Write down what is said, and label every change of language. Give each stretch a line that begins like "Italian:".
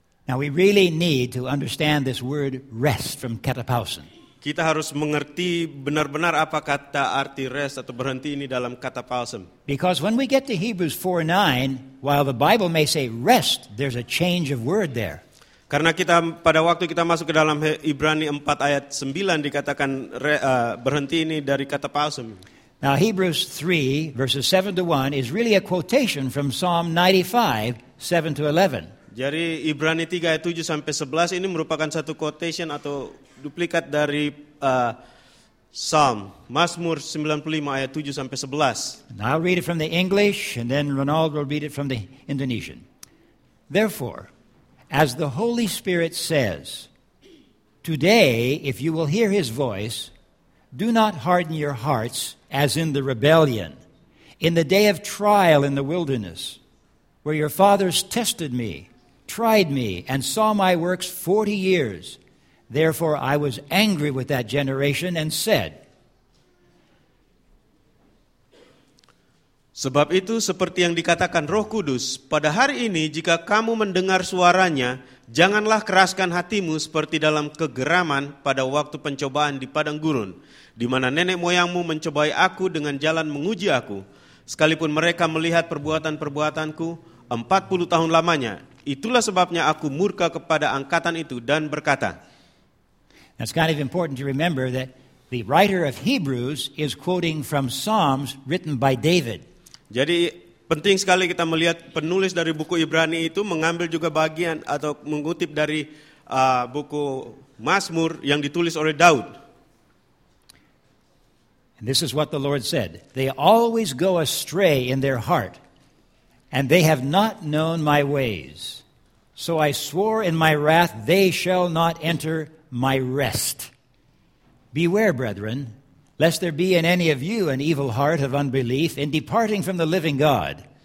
English: Now we really need to understand this word rest from katapausen.
Indonesian: Kita harus mengerti benar-benar apa kata arti rest atau berhenti ini dalam katapausen.
English: Because when we get to Hebrews 4:9, while the Bible may say rest, there's a change of word there.
Indonesian: Karena kita pada waktu kita masuk ke dalam Ibrani 4 ayat 9 dikatakan berhenti ini dari kata pausen.
English: Now Hebrews 3 verses 7 to 1 is really a quotation from Psalm 95 7 to 11.
Indonesian: Jadi Ibrani 3 ayat 7 sampai 11 ini merupakan satu quotation atau duplikat dari Psalm Mazmur 95 ayat 7 sampai 11.
English: And I'll read it from the English and then Ronald will read it from the Indonesian. Therefore, as the Holy Spirit says, today, if you will hear his voice, do not harden your hearts as in the rebellion, in the day of trial in the wilderness, where your fathers tested me, tried me, and saw my works 40 years. Therefore, I was angry with that generation and said,
Indonesian: sebab itu seperti yang dikatakan Roh Kudus, pada hari ini jika kamu mendengar suaranya, janganlah keraskan hatimu seperti dalam kegeraman pada waktu pencobaan di padang gurun, di mana nenek moyangmu mencobai aku dengan jalan menguji aku, sekalipun mereka melihat perbuatan-perbuatanku 40 tahun lamanya. Itulah sebabnya aku murka kepada angkatan itu dan berkata.
English: It's kind of important to remember that the writer of Hebrews is quoting from Psalms written by David.
Indonesian: Jadi penting sekali kita melihat penulis dari buku Ibrani itu mengambil juga bagian atau mengutip dari buku Mazmur yang ditulis oleh Daud.
English: And this is what the Lord said. They always go astray in their heart, and they have not known my ways. So I swore in my wrath, they shall not enter my rest. Beware, brethren, lest there be in any of you an evil heart of unbelief in departing from the living God.